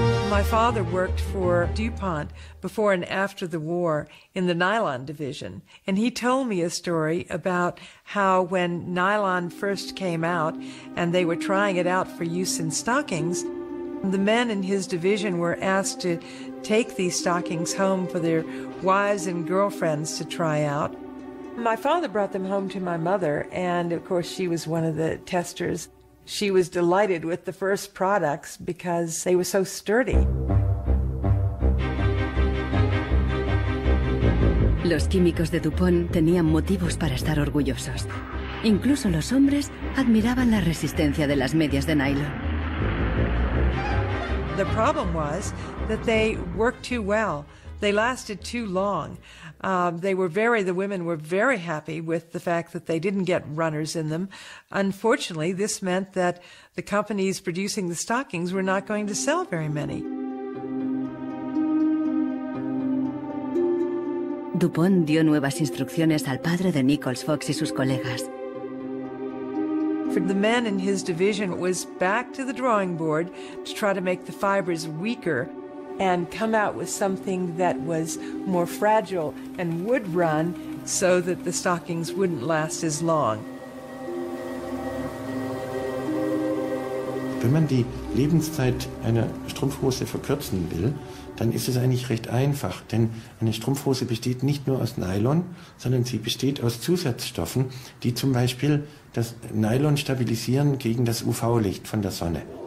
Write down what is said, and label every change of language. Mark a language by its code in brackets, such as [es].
[en] My father worked for DuPont before and after the war in the nylon division, and he told me a story about how when nylon first came out and they were trying it out for use in stockings, the men in his division were asked to take these stockings home for their wives and girlfriends to try out. My father brought them home to my mother, and of course she was one of the testers. She was delighted with the first products because they were so sturdy. [es] Los químicos de DuPont tenían motivos para estar orgullosos. Incluso los hombres admiraban la resistencia de las medias de nylon. [en] The problem was that they worked too well. They lasted too long. The women were very happy with the fact that they didn't get runners in them. Unfortunately, this meant that the companies producing the stockings were not going to sell very many. [es] DuPont dio nuevas instrucciones al padre de Nichols Fox y sus colegas. [en] For the men in his division, it was back to the drawing board to try to make the fibers weaker and come out with something that was more fragile and would run so that the stockings wouldn't last as long. [de] Wenn man die Lebenszeit einer Strumpfhose verkürzen will, dann ist es eigentlich recht einfach, denn eine Strumpfhose besteht nicht nur aus Nylon, sondern sie besteht aus Zusatzstoffen, die zum Beispiel das Nylon stabilisieren gegen das UV-Licht von der Sonne.